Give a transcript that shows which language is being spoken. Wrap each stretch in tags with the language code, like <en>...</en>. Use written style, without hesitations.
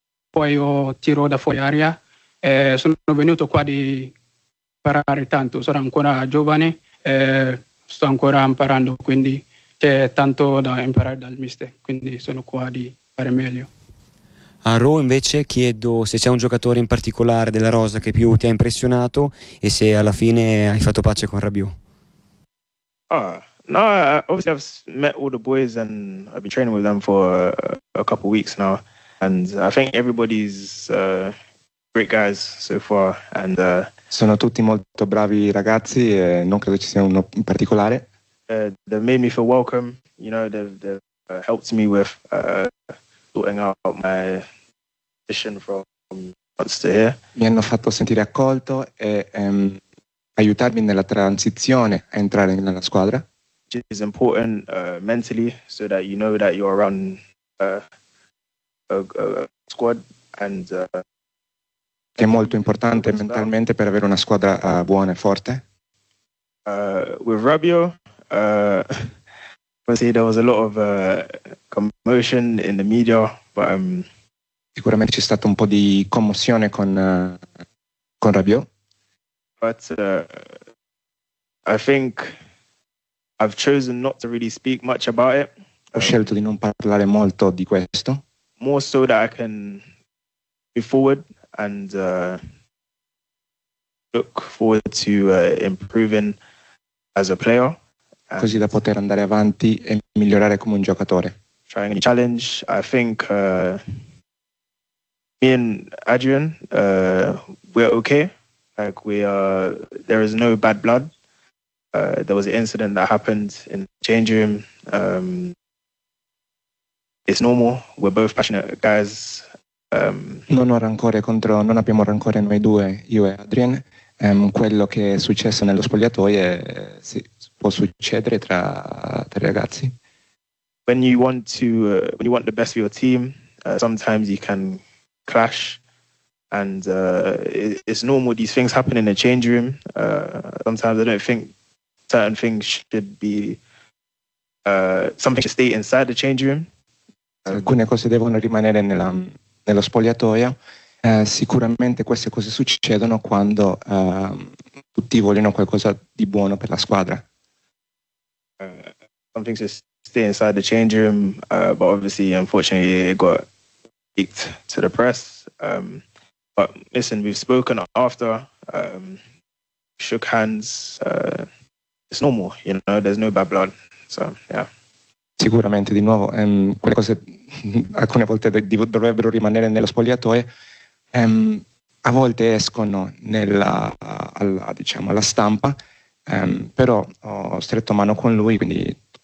<it>Poi ho tiro da fuori aria e sono venuto qua di imparare tanto. Sono ancora giovane e sto ancora imparando, quindi c'è tanto da imparare dal mister, quindi sono qua di fare meglio. A Ro invece chiedo se c'è un giocatore in particolare della rosa che più ti ha impressionato e se alla fine hai fatto pace con Rabiot.</it> <en>No, obviously I've met all the boys and I've been training with them for a couple of weeks now, and I think everybody's great guys so far. And</en> <it>sono tutti molto bravi ragazzi e non credo ci sia uno in particolare.</it> <en>They've made me feel welcome. You know, they've helped me with sorting out my position from monster here.</en> <it>Mi hanno fatto sentire accolto e aiutarmi nella transizione a entrare nella squadra.</it> <en>Is important mentally so that you know that you're around a squad and</en> <it>è molto importante mentalmente per avere una squadra buona e forte.</it> <en>With Rabiot, obviously there was a lot of commotion in the media, but</en> <it>sicuramente c'è stato un po' di commozione con Rabiot.</it> <en>But I think I've chosen not to really speak much about it.</en> <it>Ho scelto di non parlare molto di questo.</it> <en>More so that I can move forward and look forward to improving as a player.</en> <it>Così da poter andare avanti e migliorare come un giocatore.</it> <en>Trying a challenge, I think me and Adrian we're okay. Like we are, there is no bad blood. There was an incident that happened in the change room. It's normal. We're both passionate guys.</en> <it>Non ho rancore contro, non abbiamo rancore noi due, io e Adrian. Quello che è successo nello spogliatoio sì, può succedere tra ragazzi.</it> <en>When you want to, when you want the best for your team, sometimes you can clash. And it's normal. These things happen in the change room. Sometimes I don't think certain things should be something to stay inside the change room.</en> <it>Alcune cose devono rimanere nello spogliatoio. Sicuramente queste cose succedono quando tutti vogliono qualcosa di buono per la squadra.</it> <en>Something to stay inside the change room, but obviously, unfortunately, it got leaked to the press. But listen, we've spoken after, shook hands. It's normal, you know, there's no bad blood, so yeah.</en> <it>Sicuramente, di nuovo, quelle cose alcune volte dovrebbero rimanere nello spogliatoio, a volte escono alla stampa, però ho stretto mano con lui, quindi...</it>